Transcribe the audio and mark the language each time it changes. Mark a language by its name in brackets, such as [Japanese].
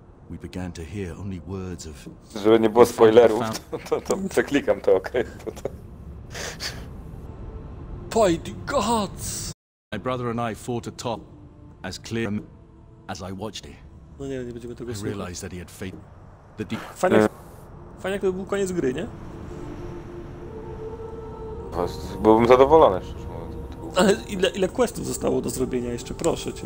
[English] We began to hear only words of... [Polish] Żeby nie było spoilerów, to przeklikam to, okej. [English] By the gods! My brother and I fought atop as clear as I watched it. [Polish] No nie, nie będziemy tego słuchać. Fajnie, fajnie jakby był koniec gry, nie? Byłbym zadowolony, szczerze mówiąc. Ale ile questów zostało do zrobienia jeszcze, proszę cię.